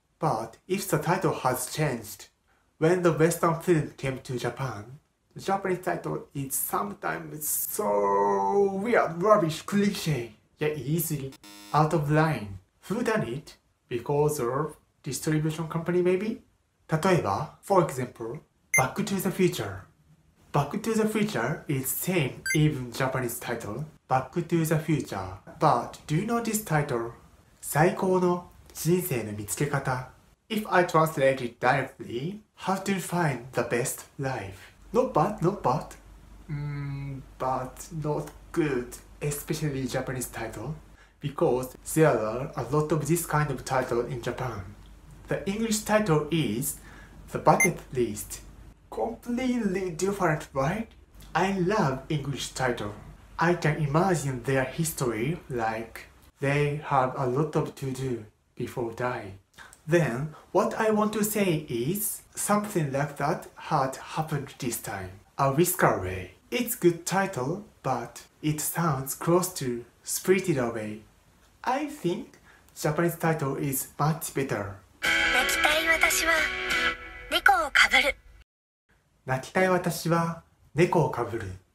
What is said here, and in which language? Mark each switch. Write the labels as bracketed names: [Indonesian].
[English] But if the title has changed, when the Western film came to Japan, the Japanese title is sometimes so weird, rubbish, cliche, yet easily out of line. Who done it? Because of distribution company maybe? 例えば For example,Back to the Future. Back to the Future is same even Japanese title, Back to the Future. But do you know this title? [Japanese] 最高の人生の見つけ方。 [English] If I translate it directly, how to find the best life? Not bad, not bad. But not good, especially Japanese title, because there are a lot of this kind of title in Japan. The English title is The Bucket List. Completely different, right? I love English title. I can imagine their history, like they have a lot of to do before die. Then, what I want to say is, something like that had happened this time. A Whisker Away. It's good title, but it sounds close to Spirited Away. I think Japanese title is much better. [Japanese] 泣きたい私は猫をかぶる。泣きたい私は猫をかぶる。